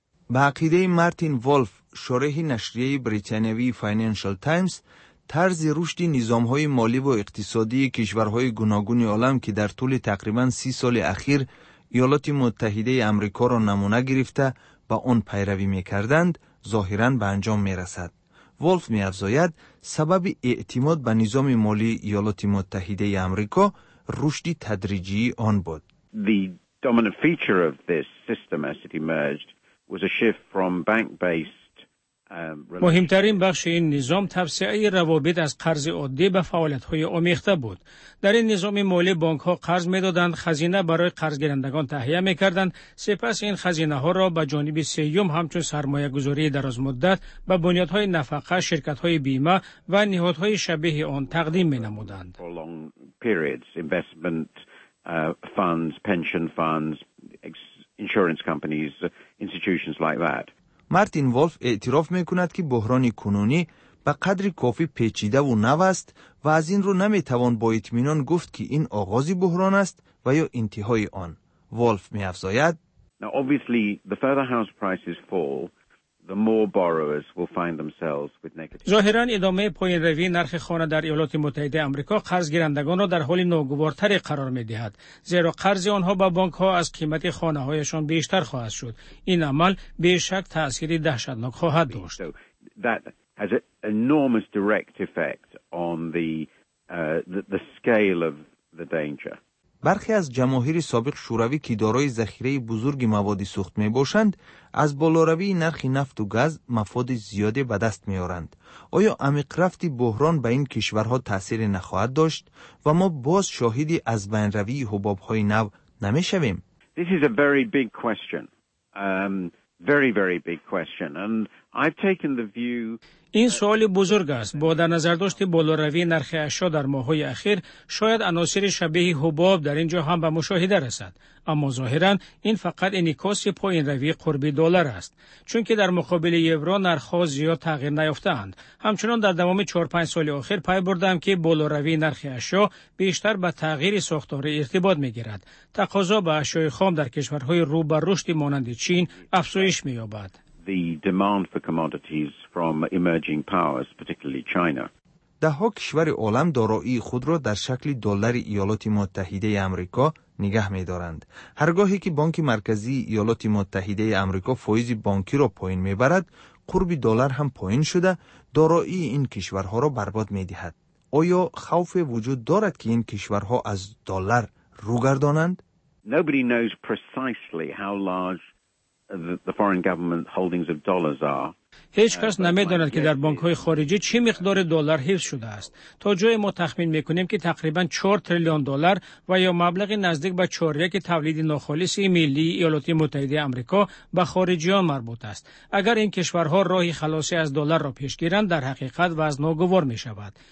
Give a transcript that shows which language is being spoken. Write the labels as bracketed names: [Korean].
[Persian] به عقیده مارتین وولف شرحی نشریه بریتانیوی فاینانشل تایمز، طرز رشد نظام‌های مالی و اقتصادی کشورهای گوناگون عالم که در طول تقریباً 30 سال اخیر ایالات متحده آمریکا را نمونه گرفته و آن پیروی می‌کردند ظاهراً به انجام می‌رسد. ولف می افزاید سبب اعتماد به نظام مالی ایالات متحده آمریکا رشد تدریجی آن بود. [English] The dominant feature of this system as it emerged was a shift from bank-based [Persian] مهمترین بخش این نظام توسعه روابط از قرض عادی به فعالیت‌های آمیخته بود. در این نظام مالی بانک‌ها قرض می‌دادند، خزینه برای قرضگیرندگان تهیه می‌کردند، سپس این خزینه‌ها را به جانب سیوم همچون سرمایه‌گذاری درازمدت به بنیادهای نفقه، شرکت‌های بیمه و نهادهای شبیه آن تقدیم می‌نمودند. [English] Funds, pension funds, insurance companies, institutions like that. [Persian] Martin Wolf اعتراف میکند که بحران کنونی به قدر کافی پیچیده و نو است و از این رو نمیتوان با اطمینان گفت که این آغاز بحران است و یا انتهای آن. Wolf میافزاید. [English] Now obviously the further house prices fall, the more borrowers will find themselves with negative [Persian] ظاهراً ادامه پایین روی نرخ خانه در ایالات متحده آمریکا قرض گیرندگان را در حال ناگوارتر قرار می‌دهد، زیرا قرض آنها به بانک‌ها از قیمت خانه‌هایشان بیشتر خواهد شد. این عمل بی‌شک تأثیر دهشتناک خواهد داشت. [English] So that has an enormous direct effect on the scale of the danger. [Persian] برخی از جماهیر سابق شوروی که دارای ذخیره بزرگ مواد سوخت می باشند، از بالاروی نرخ نفت و گاز مفاد زیادی به دست می آورند. آیا عمیق رفت بحران به این کشورها تأثیر نخواهد داشت و ما باز شاهد از بین روی حباب های نو نمی شویم؟ [English] This is a very big question. Very, very big question. And I've taken the view... [Persian] این سوال بزرگ است. با در نظر داشت بالاروی نرخ اشیا در ماه های اخیر شاید عناصر شبیه حباب در اینجا هم به مشاهده رسد. اما ظاهرا این فقط انعکاس پایین روی قربی دلار است. چون که در مقابل یورو نرخ ها زیاد تغییر نیافته اند. همچنان در دوام 4-5 سال اخیر پی بردم که بالاروی نرخ اشیا بیشتر به تغییر ساختار ارتباط می گیرد. تقاضا به اشیای خام در کشورهای رو به رشد مانند چین افزایش می یابد. [English] The demand for commodities from emerging powers, particularly China. [Persian] ده ها کشور عالم دارایی خود را در شکل دلار ایالات متحده آمریکا نگه می‌دارند. هرگاهی که بانک مرکزی ایالات متحده آمریکا فایض بانکی را پایین می‌برد، قرب دلار هم پایین شده، دارایی این کشورها را برباد می‌دهد. آیا خوف وجود دارد که این کشورها از دلار روگردانند؟ [English] Nobody knows precisely how large the foreign government holdings of dollars are. [Persian] هیچ کس نمی‌داند که در بانک‌های خارجی چه مقدار دلار حفظ شده است. تا جای ما تخمین می‌کنیم که تقریباً 4 تریلیون دلار و یا مبلغ نزدیک به 4.1 تولید ناخالص ملی ایالات متحده آمریکا به خارجیان مربوط است. اگر این کشورها راه خلاصی از دلار را پیش گیرند، در حقیقت وزن ناگوار می‌شود.